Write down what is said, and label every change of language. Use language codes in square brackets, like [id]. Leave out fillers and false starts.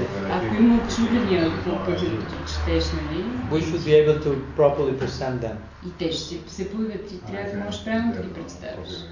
[bg] Ако има очудения по пътя, като четеш, нали? [en] We should be able to properly present them. [bg] И те ще се появят и трябва да можеш правилно да ги представиш.